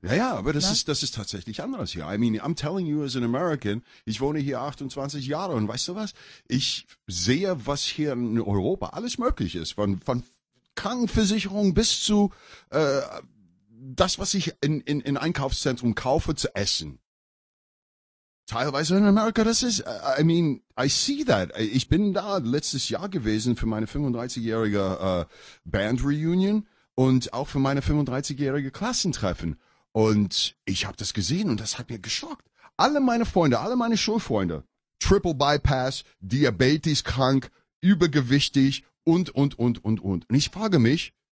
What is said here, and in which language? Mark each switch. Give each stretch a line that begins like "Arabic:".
German: Ja, aber das ist tatsächlich anders hier.
English: I mean, I'm telling you as an American,
German: ich wohne hier 28 Jahre und weißt du was? Ich sehe, was hier in Europa alles möglich ist. Von Krankenversicherung bis zu... das, was ich in Einkaufszentrum kaufe, zu essen. Teilweise in Amerika, das ist,
English: I mean, I see that.
German: Ich bin da letztes Jahr gewesen für meine 35-jährige Band-Reunion und auch für meine 35-jährige Klassentreffen. Und ich habe das gesehen und das hat mir geschockt. Alle meine Freunde, alle meine Schulfreunde, Triple Bypass, Diabetes krank, übergewichtig und. Und ich frage mich,